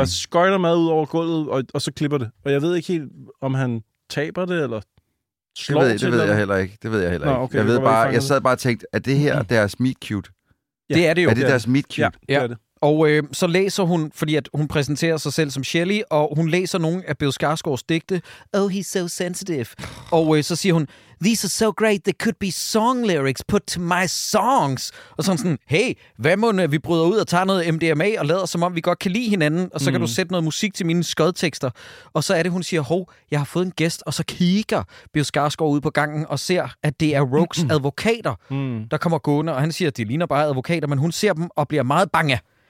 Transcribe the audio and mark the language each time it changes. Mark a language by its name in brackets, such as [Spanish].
[Danish] Der skøjter mad ud over gulvet, og så klipper det. Og jeg ved ikke helt, om han taber det, eller slår det. Det ved jeg heller ikke. Nå, okay, jeg sad bare og tænkte, er det her deres meat cute? Ja. Det er det jo. Er det deres meat cute? Ja, det er det. Og så læser hun, fordi at hun præsenterer sig selv som Shelley, og hun læser nogle af Bill Skarsgårds digte. [English] Oh, he's so sensitive. [Danish] Og så siger hun, [English] these are so great, they could be song lyrics put to my songs. [Danish] Og så sådan, hey, hvad må vi bryder ud og tager noget MDMA og lader, som om vi godt kan lide hinanden, og så kan du sætte noget musik til mine skødtekster. Og så er det, hun siger, hov, jeg har fået en gæst, og så kigger Bill Skarsgård ud på gangen og ser, at det er Rogues advokater, der kommer gående, og han siger, at de ligner bare advokater, men hun ser dem og bliver meget bange.